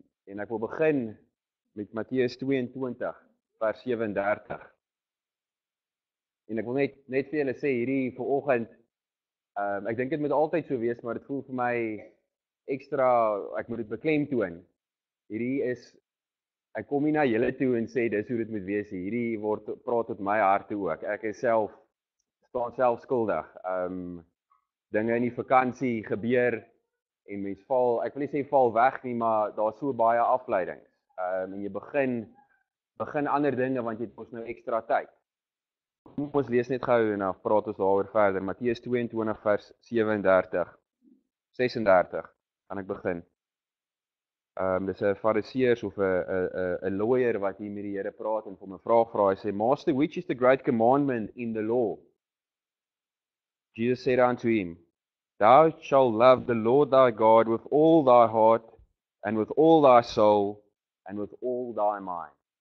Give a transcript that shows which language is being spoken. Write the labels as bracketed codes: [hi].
[af] En ek wil begin met Matteus 22 vers 37. En ek wil net vir julle sê hierdie vanoggend ek dink dit moet altyd so wees maar dit voel vir my ekstra ek moet dit beklemtoon. Hierdie is ek kom hier na julle toe en sê dis hoe dit moet wees. Hierdie word praat tot my hart toe ook. Ek is self staan self skuldig. Dinge in die vakansie gebeur en mens val, ek wil nie sê val weg nie, maar daar's so baie afleiding. En jy begin ander dinge want jy het mos nou ekstra tyd. Kom ons lees net gou en dan praat ons daaroor verder. Matteus 22 vers 36. Kan ek begin? Dis 'n fariseers of 'n lawyer wat hier met die Here praat en hom 'n vraag vra. Hy sê, [en] Master, which is the great commandment in the law? Jesus said unto him, Thou shalt love the Lord thy God with all thy heart, and with all thy soul, and with all thy mind.